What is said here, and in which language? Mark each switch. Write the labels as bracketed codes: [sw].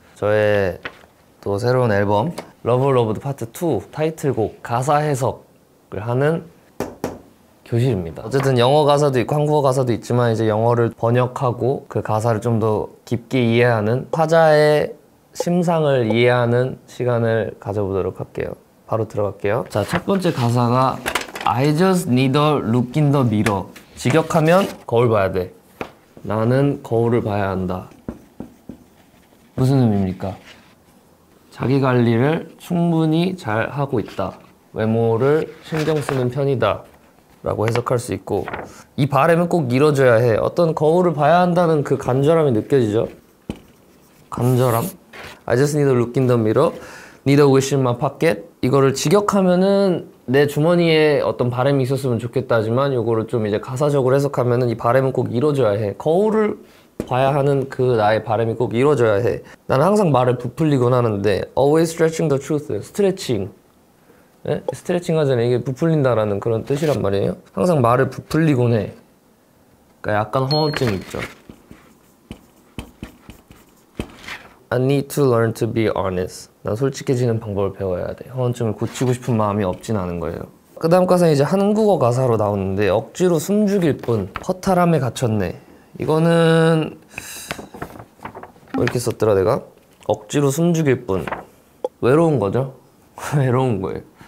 [ko] 저의 또 새로운 앨범 러브 러브드 파트 2 타이틀곡 가사 해석을 하는 교실입니다. 어쨌든 영어 가사도 있고 한국어 가사도 있지만 이제 영어를 번역하고 그 가사를 좀 더 깊게 이해하는 화자의 심상을 이해하는 시간을 가져보도록 할게요. 바로 들어갈게요. 자, 첫 번째 가사가 [en] I just need a look in the mirror. [ko] 직역하면 거울 봐야 돼. 나는 거울을 봐야 한다. 무슨 의미입니까? 자기 관리를 충분히 잘 하고 있다. 외모를 신경 쓰는 편이다. 라고 해석할 수 있고 이 바램은 꼭 이뤄져야 해. 어떤 거울을 봐야 한다는 그 간절함이 느껴지죠? 간절함? [en] I just need a look in the mirror. Need a wish in my pocket. [ko] 이거를 직역하면은 내 주머니에 어떤 바람이 있었으면 좋겠다지만 이거를 좀 이제 가사적으로 해석하면은 이 바람은 꼭 이루어져야 해. 거울을 봐야 하는 그 나의 바람이 꼭 이루어져야 해. 나는 항상 말을 부풀리곤 하는데 [en] Always stretching the truth. [ko] 스트레칭. 네? 스트레칭 하잖아요. 이게 부풀린다라는 그런 뜻이란 말이에요. 항상 말을 부풀리곤 해. 그러니까 약간 허언증이 있죠. [en] I need to learn to be honest. [ko] 난 솔직해지는 방법을 배워야 돼. 허언증을 고치고 싶은 마음이 없진 않은 거예요. 그 다음 가사는 이제 한국어 가사로 나오는데 억지로 숨죽일 뿐 허탈함에 갇혔네. 이거는 왜 이렇게 썼더라 내가? 억지로 숨죽일 뿐 외로운 거죠? 외로운 거예요.